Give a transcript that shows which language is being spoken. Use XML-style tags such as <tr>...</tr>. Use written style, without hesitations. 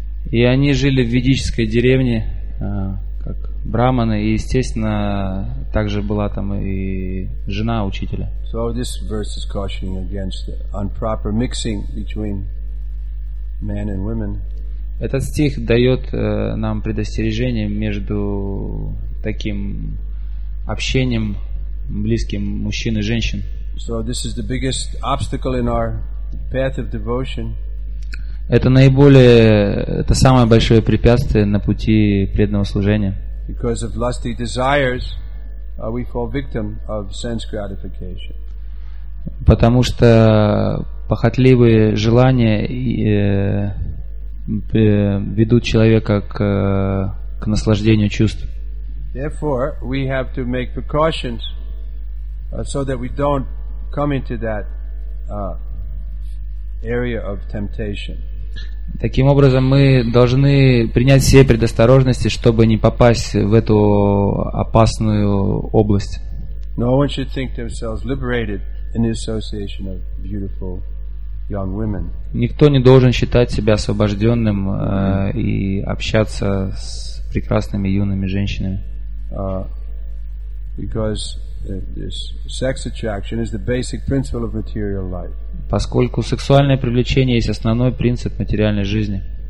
<ru>И они жили в ведической деревне, как брахманы, и естественно также была там и жена учителя.</ru> <en>So this verse is cautioning against improper mixing between men and women.</en> <ru>Этот стих дает нам предостережение между таким общением близким мужчин и женщин.</ru> <en>So this is the biggest obstacle in our path of devotion.</en> <ru>Это самое большое препятствие на пути преданного служения.</ru> <en>Because of lusty desires, we fall victim of sense gratification.</en> <ru>Потому что похотливые желания ведут человека к наслаждению чувств.</ru> <en>Therefore, we have to make precautions so that we don't come into that area of temptation.</en> <ru>Таким образом, мы должны принять все предосторожности, чтобы не попасть в эту опасную область.</ru> <en>No one should think themselves liberated in the association of beautiful young women.</en> <ru>Никто не должен считать себя освобожденным и общаться с прекрасными юными женщинами.</ru> <en>Because this sex attraction is the basic principle of material life.</en> <ru>Поскольку сексуальное привлечение есть основной принцип материальной жизни.</ru>